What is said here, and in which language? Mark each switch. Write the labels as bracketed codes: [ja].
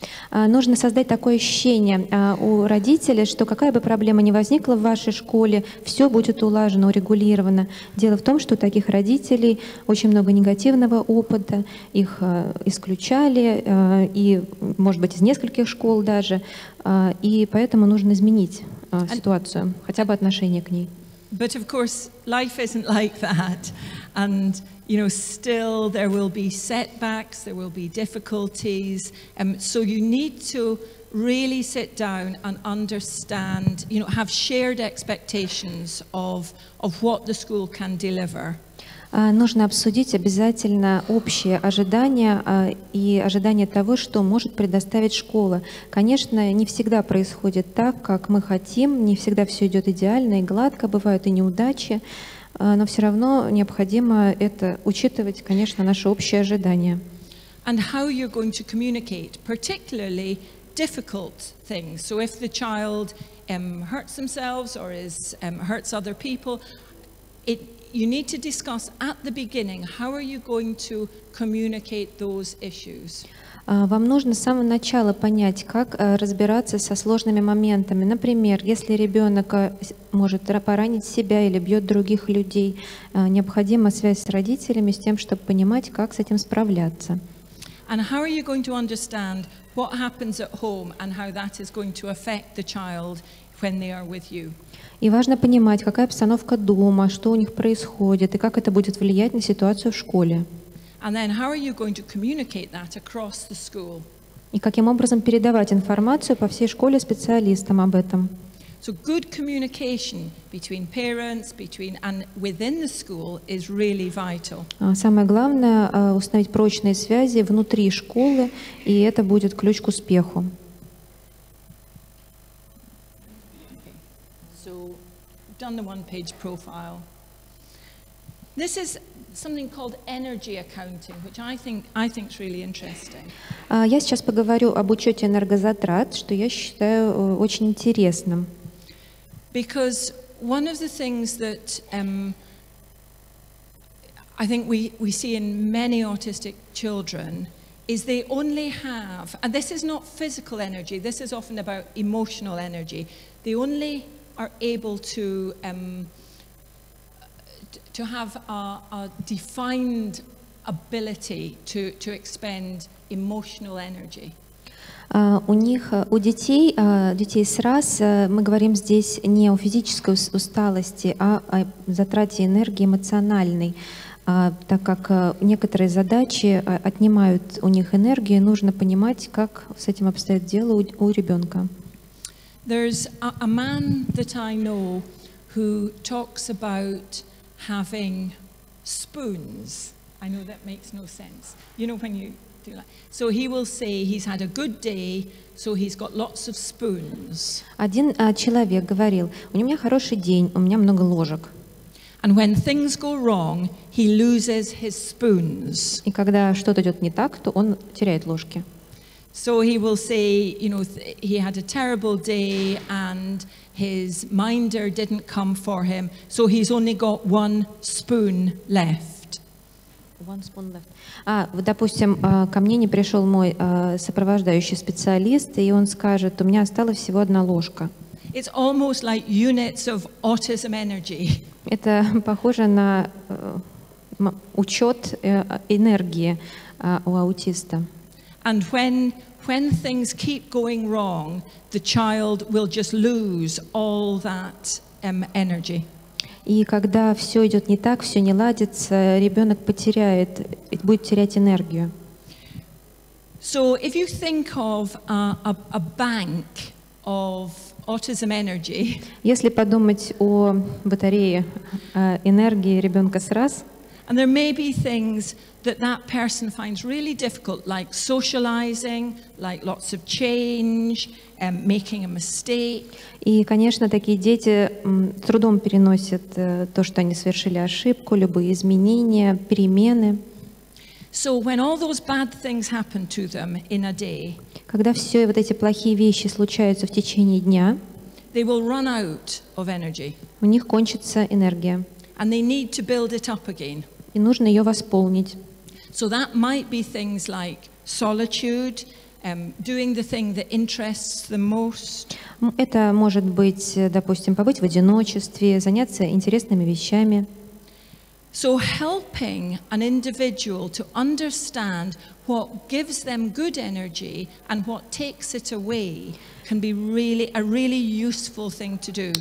[ru] Нужно создать такое ощущение у родителей, что какая бы проблема ни возникла в вашей школе, все будет улажено, урегулировано. Дело в том, что у таких родителей очень много негативного опыта, их исключали, и, может быть, из нескольких школ даже, и поэтому нужно изменить ситуацию, хотя бы отношение к ней. [en] But of course, life isn't like that, and you know, still there will be setbacks, there will be difficulties, and so you need to really sit down and understand, you know, have shared expectations of what the school can deliver. [ru] Нужно обсудить обязательно общие ожидания и ожидания того, что может предоставить школа. Конечно, не всегда происходит так, как мы хотим, не всегда все идет идеально и гладко, бывают и неудачи, но все равно необходимо это учитывать, конечно, наши общие ожидания. [en] and how you're going to communicate, particularly difficult things. So if the child hurts themselves or is hurts other people, you need to discuss at the beginning, how are you going to communicate those issues? [ru] Вам нужно с самого начала понять, как разбираться со сложными моментами. Например, если ребенок может поранить себя или бьет других людей, необходима связь с родителями, с тем, чтобы понимать, как с этим справляться. [en] And how are you going to understand what happens at home and how that is going to affect the child when they are with you? [ru] И важно понимать, какая обстановка дома, что у них происходит, и как это будет влиять на ситуацию в школе. [en] And then how are you going to communicate that across the school? [ru] И каким образом передавать информацию по всей школе специалистам об этом? [en] So good communication between parents, between and within the school is really vital. [ru] Самое главное установить прочные связи внутри школы, и это будет ключ к успеху. [en] So done the one-page profile. This is something called energy accounting, which I think is really interesting. [ru] Я сейчас поговорю об учете энергозатрат, что я считаю очень интересным. [en] Because one of the things that I think we see in many autistic children is they only have, and this is not physical energy, this is often about emotional energy, they only are able to have a defined ability to expend emotional energy. [ru] У детей с РАС, мы говорим здесь не о физической усталости, а о затрате энергии эмоциональной, так как некоторые задачи отнимают у них энергию, нужно понимать, как с этим обстоит дело у ребенка. [en] There's a man that I know who talks about having spoons. I know that makes no sense. You know, when you do that. So he will say he's had a good day, so he's got lots of spoons. [ru] Один человек говорил: у меня хороший день, у меня много ложек. [en] And when things go wrong, he loses his spoons. [ru] И когда что-то идет не так, то он теряет ложки. [en] So he will say, you know, he had a terrible day and his minder didn't come for him, so he's only got one spoon left. One spoon left. [ru] Допустим, ко мне не пришел мой сопровождающий специалист, и он скажет: у меня осталась всего одна ложка. [en] It's almost like units of autism energy. [ru] Это похоже на учет энергии у аутиста. [en] And when things keep going wrong, the child will just lose all that energy. [ru] И когда все идет не так, все не ладится, ребенок потеряет, будет терять энергию. [en] So if you think of a bank of autism energy, [ru] если подумать о батарее энергии ребенка с РАС, [en] and there may be things that person finds really difficult, like socializing, like lots of change, making a mistake. [ru] И, конечно, такие дети трудом переносят то, что они совершили ошибку, любые изменения, перемены. [en] So when all those bad things happen to them in a day, [ru] когда все вот эти плохие вещи случаются в течение дня, [en] they will run out of energy. [ru] У них кончится энергия. [en] And they need to build it up again. [ru] И нужно ее восполнить. [en] So that might be things like solitude, doing the thing that interests them most. [ru] Это может быть, допустим, побыть в одиночестве, заняться интересными вещами. [en] So helping an individual to understand what gives them good energy and what takes it away can be really a really useful thing to do.